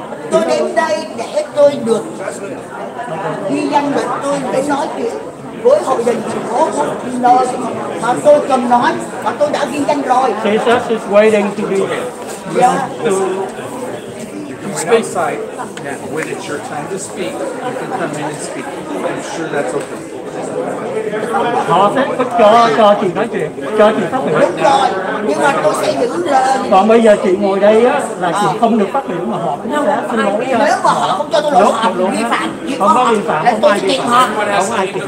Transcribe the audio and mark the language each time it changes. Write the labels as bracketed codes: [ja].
[vi] Tôi đến đây để tôi được ghi danh mặt tôi để nói chuyện với hội dân thành phố của nơi mà tôi cần nói, mà tôi đã ghi danh rồi. [en] She just is waiting to be... Yeah. Outside, yeah, when it's your time to speak, you can come in and speak. I'm sure that's okay. [vi] Họ sẽ cho chị nói chuyện, cho chị phát biểu. Đúng rồi, nhưng mà tôi sẽ giữ lời. Còn bây giờ chị ngồi đây á, là chị không được phát biểu mà họ cũng sẽ xin lỗi. Nếu mà họ không cho tôi lỗi, họ vi phạm. Không có vi phạm, không ai vi phạm.